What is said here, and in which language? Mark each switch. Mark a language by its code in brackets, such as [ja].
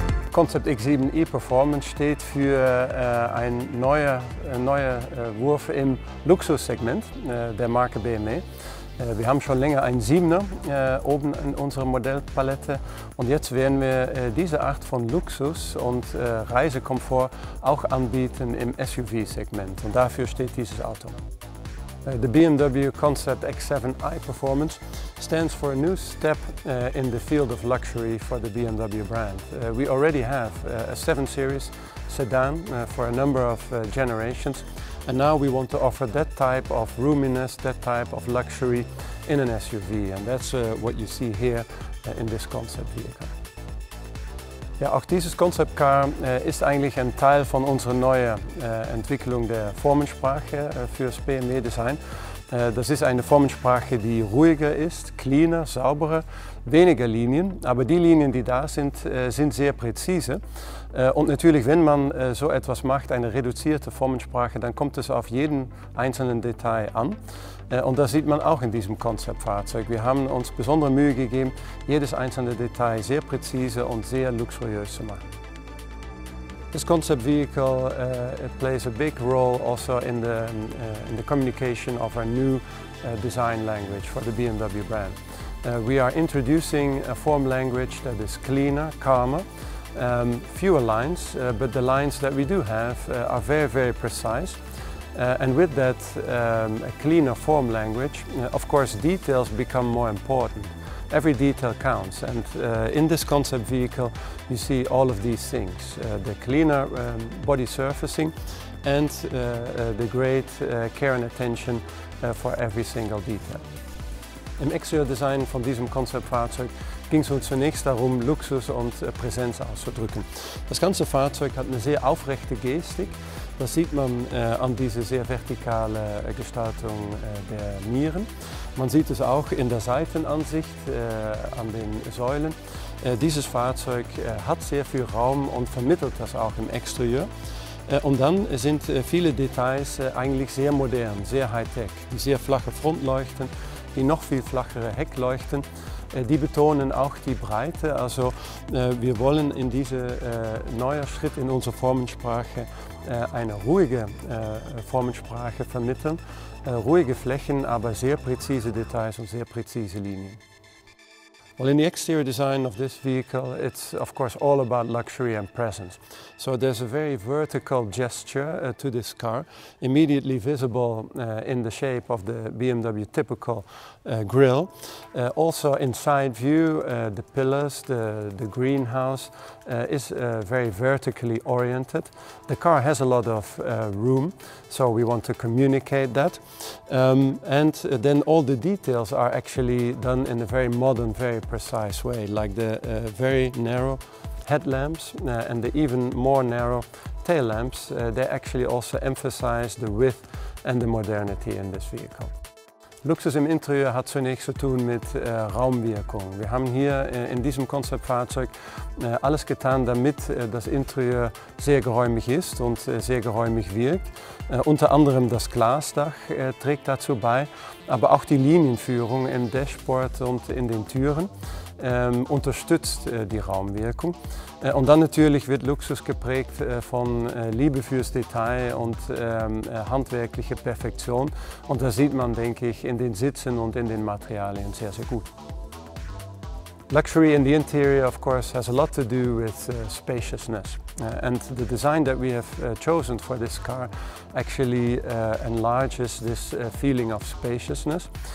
[de] Concept X7 e-Performance steht für ein neuer Wurf im Luxussegment der Marke BMW. Wir haben schon länger einen 7er oben in unserer Modellpalette und jetzt werden wir diese Art von Luxus und Reisekomfort auch anbieten im SUV-Segment und dafür steht dieses Auto. [en] The BMW Concept X7 iPerformance stands for a new step in the field of luxury for the BMW brand. We already have a 7 Series sedan for a number of generations, and now we want to offer that type of roominess, that type of luxury in an SUV, and that's what you see here in this concept vehicle. Ja, auch dieses Concept Car ist eigentlich ein Teil von unserer neuen Entwicklung der Formensprache fürs BMW Design. Das ist eine Formensprache, die ruhiger ist, cleaner, sauberer, weniger Linien. Aber die Linien, die da sind, sind sehr präzise. Und natürlich, wenn man so etwas macht, eine reduzierte Formensprache, dann kommt es auf jeden einzelnen Detail an. Und das sieht man auch in diesem Konzeptfahrzeug. Wir haben uns besondere Mühe gegeben, jedes einzelne Detail sehr präzise und sehr luxuriös zu machen. This concept vehicle it plays a big role also in the communication of our new design language for the BMW brand. We are introducing a form language that is cleaner, calmer, fewer lines, but the lines that we do have are very, very precise. And with that a cleaner form language, of course, details become more important. Every detail counts, and in this concept vehicle you see all of these things. The cleaner body surfacing and the great care and attention for every single detail. [de] Im Exterior-Design von diesem Konzeptfahrzeug ging es uns zunächst darum, Luxus und Präsenz auszudrücken. Das ganze Fahrzeug hat eine sehr aufrechte Gestik. Das sieht man an dieser sehr vertikalen Gestaltung der Nieren. Man sieht es auch in der Seitenansicht an den Säulen. Dieses Fahrzeug hat sehr viel Raum und vermittelt das auch im Exterieur. Und dann sind viele Details eigentlich sehr modern, sehr high-tech. Die sehr flache Frontleuchten, die noch viel flachere Heckleuchten, die betonen auch die Breite. Also wir wollen in diesem neuen Schritt in unserer Formensprache eine ruhige Formensprache vermitteln. Ruhige Flächen, aber sehr präzise Details und sehr präzise Linien. [en] Well, in the exterior design of this vehicle, it's of course all about luxury and presence. So there's a very vertical gesture to this car, immediately visible in the shape of the BMW typical grille. Also in side view, the pillars, the greenhouse is very vertically oriented. The car has a lot of room, so we want to communicate that. And then all the details are actually done in a very modern, very precise way, like the very narrow headlamps and the even more narrow tail lamps. They actually also emphasize the width and the modernity in this vehicle. [de] Luxus im Interieur hat zunächst zu tun mit Raumwirkung. Wir haben hier in diesem Konzeptfahrzeug alles getan, damit das Interieur sehr geräumig ist und sehr geräumig wirkt. Unter anderem das Glasdach trägt dazu bei, aber auch die Linienführung im Dashboard und in den Türen unterstützt die Raumwirkung. Und dann natürlich wird Luxus geprägt von Liebe fürs Detail und handwerkliche Perfektion. Und das sieht man, denke ich, in den Sitzen und in den Materialien sehr, sehr gut. [en] Luxury in the interior, of course, has a lot to do with spaciousness. And the design that we have chosen for this car actually enlarges this feeling of spaciousness.